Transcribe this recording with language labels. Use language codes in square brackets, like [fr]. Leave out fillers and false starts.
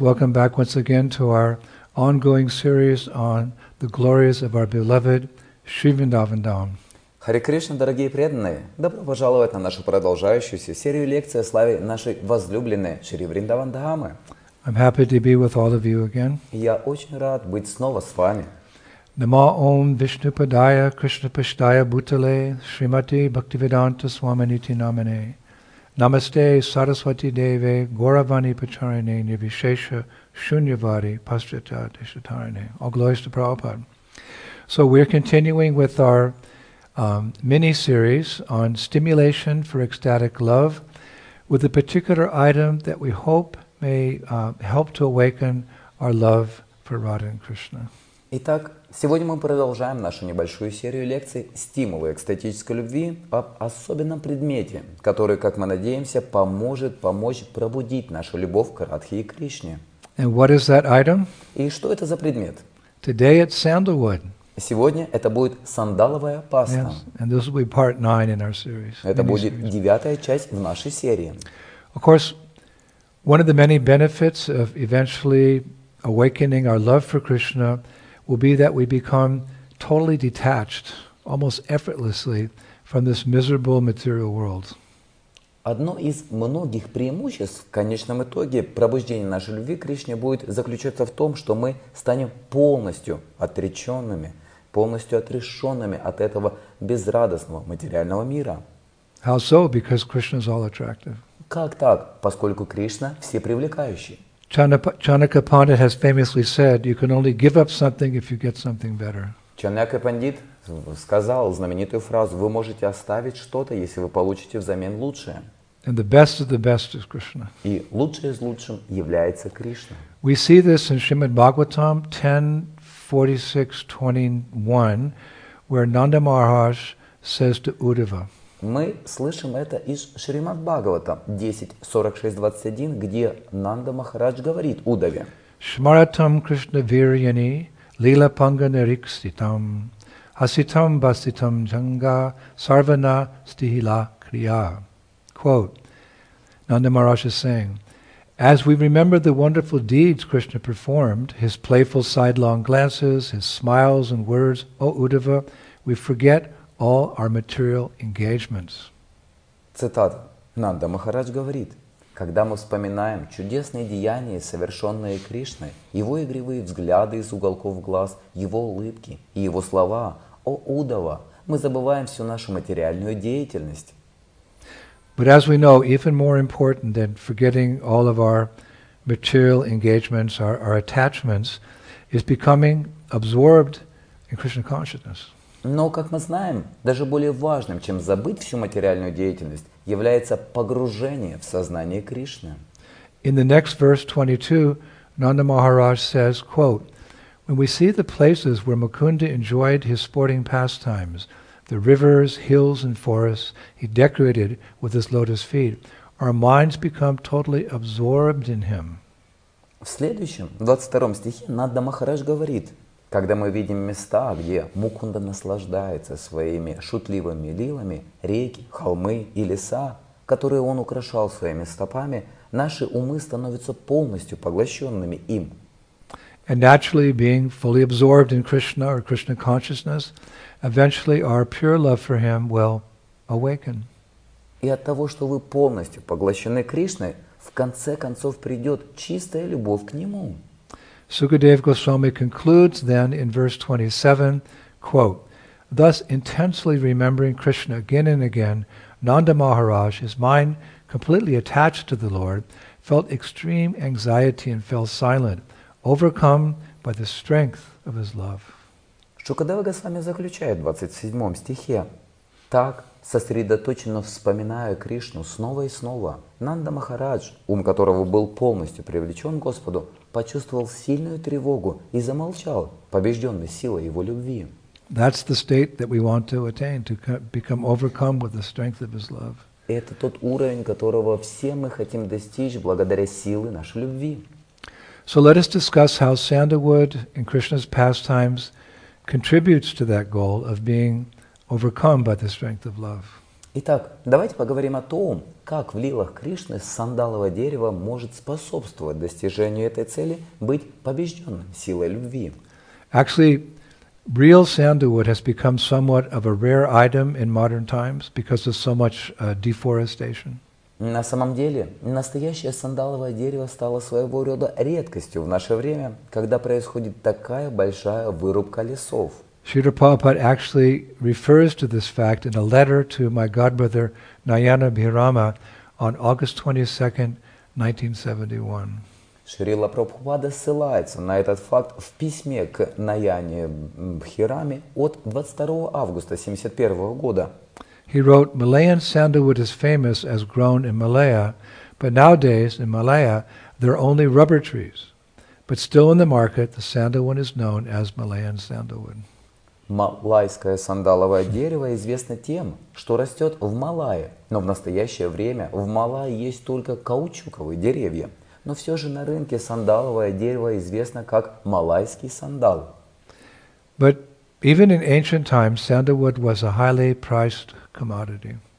[en] Welcome back once again to our ongoing series on the glories of our beloved Sri Vrindavan Dham. [ru] Hare Krishna, дорогие преданные. Добро пожаловать на нашу продолжающуюся серию лекций о славе нашей возлюбленной Шри Вриндаван Дхамы. [en] I'm happy to be with all of you again. [ru] Я очень рад быть снова с вами. [sa] Namo Om Vishnupadaya Krishnapashtaya Bhutale Srimati Bhaktivedanta Swaminiti Namine. Namaste Saraswati Deve Gauravani Pacharine Nirvishesha Shunyavari Paschita Deshatarine. [en] All glories to Prabhupada. So we're continuing with our mini-series on stimulation for ecstatic love with a particular item that we hope may help to awaken our love for Radha and Krishna. [ru] Итак, сегодня мы продолжаем нашу небольшую серию лекций «Стимулы экстатической любви» об особенном предмете, который, как мы надеемся, поможет помочь пробудить нашу любовь к Радхе и Кришне. [en] And what is that item? [ru] И что это за предмет? [en] Today it's sandalwood. [ru] Сегодня это будет сандаловая паста. [en] Yes. And this will be part 9 in our series. [ru] Это будет девятая часть в нашей серии. [en] Of course, one of the many benefits of eventually awakening our love for Krishna will be that we become totally detached, almost effortlessly, from this miserable material world. [ru] Одно из многих преимуществ, в конечном итоге, пробуждения нашей любви к Кришне будет заключаться в том, что мы станем полностью отрешенными от этого безрадостного материального мира. [en] How so? Because Krishna is all attractive. [ru] Как так? Поскольку Кришна всепривлекающий. [en] Chanaka Pandit has famously said, you can only give up something if you get something better. [ru] Chanaka Pandit сказал знаменитую фразу, вы можете оставить что-то, если вы получите взамен лучшее. [en] And the best of the best is Krishna. [ru] И лучшее из лучшим является Кришна. [en] We see this in Srimad Bhagavatam 10:46-21, where Nanda Maharaj says to Uddhava. [ru] Мы слышим это из Шримад Бхагавата 10:46-21, где Нанда Махарадж говорит Удаве. [sa] Шмаратам Кришна Вирьяни Лила Панга Нарикситам Хаситам Баситам Джанга Сарвана Стихила Крия. [en] Quote, Нанда Махарадж is saying, as we remember the wonderful deeds Krishna performed, his playful sidelong glances, his smiles and words, O Удава, we forget all our material engagements. [ru] Цитата. Нанда Махарадж говорит, когда мы вспоминаем чудесные деяния, совершенные Кришной, его игривые взгляды из уголков глаз, его улыбки и его слова, о Удава, мы забываем всю нашу материальную деятельность. [en] But as we know, even more important than forgetting all of our material engagements, our attachments, is becoming absorbed in Krishna consciousness. [ru] Но, как мы знаем, даже более важным, чем забыть всю материальную деятельность, является погружение в сознание Кришны. [en] In the next verse 22, Nanda Maharaj says, quote, when we see the places where Mukunda enjoyed his sporting pastimes, the rivers, hills and forests he decorated with his lotus feet, our minds become totally absorbed in him. [ru] В следующем, 22 стихе, Нанда Махарадж говорит, когда мы видим места, где Мукунда наслаждается своими шутливыми лилами, реки, холмы и леса, которые он украшал своими стопами, наши умы становятся полностью поглощенными им. [en] And naturally, being fully absorbed in Krishna or Krishna consciousness, eventually our pure love for him will awaken. [ru] И от того, что вы полностью поглощены Кришной, в конце концов придет чистая любовь к нему. [en] Sukadev Goswami concludes then in verse 27, quote, thus intensely remembering Krishna again and again, Nanda Maharaj, his mind completely attached to the Lord, felt extreme anxiety and fell silent, overcome by the strength of his love. [ru] Sukadev Goswami заключает в 27 стихе, так, сосредоточенно вспоминая Кришну снова и снова, Нанда Махарадж, ум которого был полностью привлечен к Господу, почувствовал сильную тревогу и замолчал, побежденный силой его любви. [en] That's the state that we want to attain, to become overcome with the strength of his love. [ru] Это тот уровень, которого все мы хотим достичь благодаря силе нашей любви. [en] So let us discuss how sandalwood in Krishna's pastimes contributes to that goal of being overcome by the strength of love. [ru] Итак, давайте поговорим о том, как в лилах Кришны сандаловое дерево может способствовать достижению этой цели быть побежденным силой любви. [en] Actually, real sandalwood has become somewhat of a rare item in modern times because of so much deforestation. [ru] На самом деле, настоящее сандаловое дерево стало своего рода редкостью в наше время, когда происходит такая большая вырубка лесов. [en] Śrīla Prabhupāda actually refers to this fact in a letter to my godbrother Nayana Bhirama on August 22, 1971. [ru] Śrīla Prabhupāda ссылается на этот факт в письме к Наяне Бхираме от 22 августа 71 года. [en] He wrote, "Malayan sandalwood is famous as grown in Malaya, but nowadays in Malaya there are only rubber trees. But still in the market, the sandalwood is known as Malayan sandalwood." [ru] Малайское сандаловое дерево известно тем, что растет в Малайе, но в настоящее время в Малайе есть только каучуковые деревья. Но все же на рынке сандаловое дерево известно как малайский сандал. [en] But even in ancient times, sandalwood was a highly prized commodity.